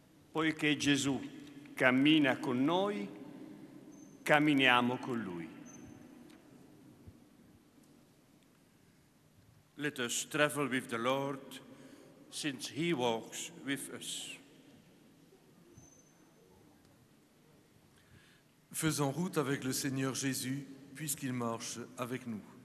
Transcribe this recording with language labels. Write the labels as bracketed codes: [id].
[it] Poiché Gesù cammina con noi, camminiamo con lui. [en] Let us travel with the Lord, since he walks with us. [fr] Faisons route avec le Seigneur Jésus, puisqu'il marche avec nous.